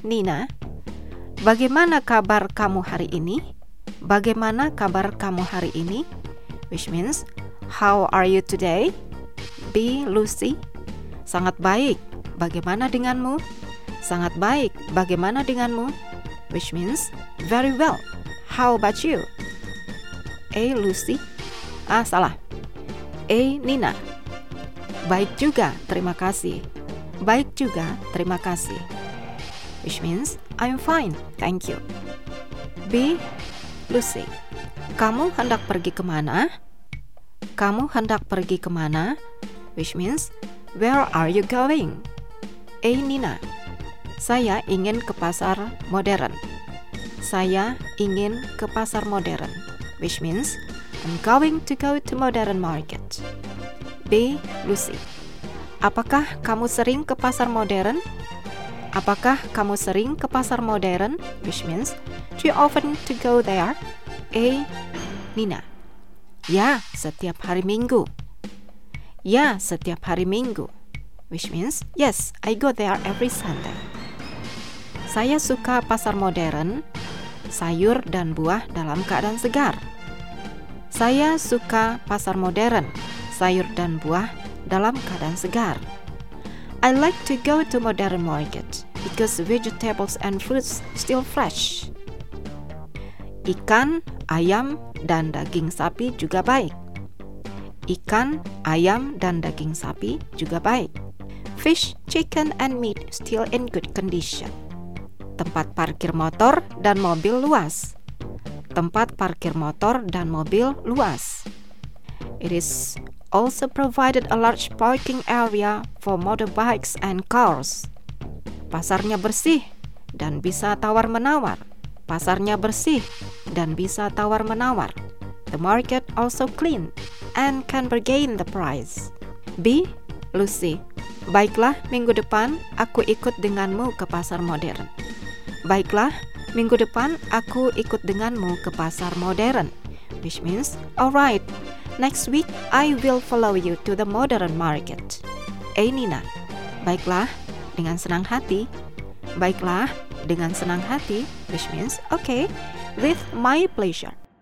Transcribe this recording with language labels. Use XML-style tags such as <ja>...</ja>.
<id>Nina, bagaimana kabar kamu hari ini? Bagaimana kabar kamu hari ini?</id> <en>Which means, how are you today?</en> <id>B. Lucy, sangat baik. Bagaimana denganmu? Sangat baik. Bagaimana denganmu?</id> <en>Which means, very well. How about you?</en> <id>A. Lucy. Ah, salah. A. Nina. Baik juga. Terima kasih. Baik juga. Terima kasih.</id> <en>Which means, I'm fine, thank you. B.</en> <id>Lucy, kamu hendak pergi kemana? Kamu hendak pergi kemana?</id> <en>Which means, where are you going? A.</en> <id>Nina, saya ingin ke pasar modern. Saya ingin ke pasar modern.</id> <en>Which means, I'm going to go to modern market. B.</en> <id>Lucy, apakah kamu sering ke pasar modern? Apakah kamu sering ke pasar modern?</id> <en>Which means, do you often to go there? A.</en> <id>Nina, ya, setiap hari Minggu. Ya, setiap hari Minggu.</id> <en>Which means, yes, I go there every Sunday.</en> <id>Saya suka pasar modern, sayur dan buah dalam keadaan segar. Saya suka pasar modern, sayur dan buah dalam keadaan segar.</id> <en>I like to go to modern market because vegetables and fruits still fresh.</en> <id>Ikan, ayam, dan daging sapi juga baik. Ikan, ayam, dan daging sapi juga baik.</id> <en>Fish, chicken, and meat still in good condition.</en> <id>Tempat parkir motor dan mobil luas. Tempat parkir motor dan mobil luas.</id> <en>It is also provided a large parking area for motorbikes and cars.</en> <id>Pasarnya bersih dan bisa tawar-menawar. Pasarnya bersih dan bisa tawar-menawar.</id> <en>The market also clean and can bargain the price. B.</en> <id>Lucy, baiklah, minggu depan aku ikut denganmu ke pasar modern. Baiklah, minggu depan aku ikut denganmu ke pasar modern.</id> <en>Which means, alright, next week I will follow you to the modern market. A.</en> <id>Nina, baiklah, dengan senang hati. Baiklah, dengan senang hati.</id> <en>Which means, okay, with my pleasure.</en>